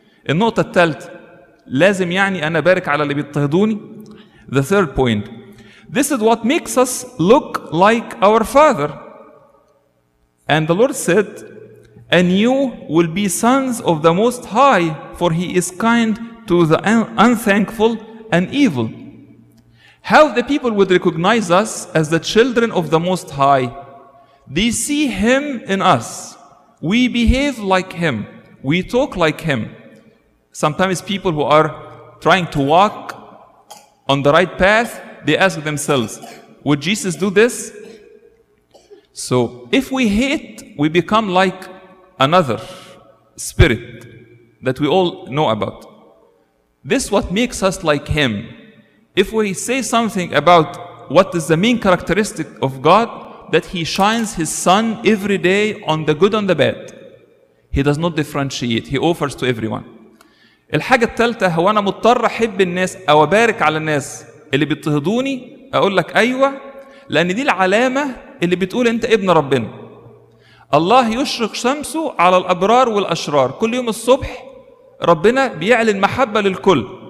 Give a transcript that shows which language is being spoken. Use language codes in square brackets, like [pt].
[ar] النقطة الثالثة، لازم يعني أنا بارك على اللي بيضطهدوني. [en] The third point, this is what makes us look like our father. And the Lord said, and you will be sons of the Most High, for he is kind to the unthankful and evil. How the people would recognize us as the children of the Most High? They see Him in us. We behave like Him. We talk like Him. Sometimes people who are trying to walk on the right path, they ask themselves, would Jesus do this? So if we hate, we become like another spirit that we all know about. This is what makes us like Him. If we say something about what is the main characteristic of God, that He shines His sun every day on the good and the bad. He does not differentiate. He offers to everyone. [ar] الحاجة الثالثة، هو أنا مضطر أحب الناس أو أبارك على الناس اللي بيضطهدوني؟ أقول لك أيوة، لأن دي العلامة اللي بتقول أنت ابن ربنا. الله يشرق شمسه على الأبرار والأشرار. كل يوم الصبح ربنا بيعلن محبة للكل.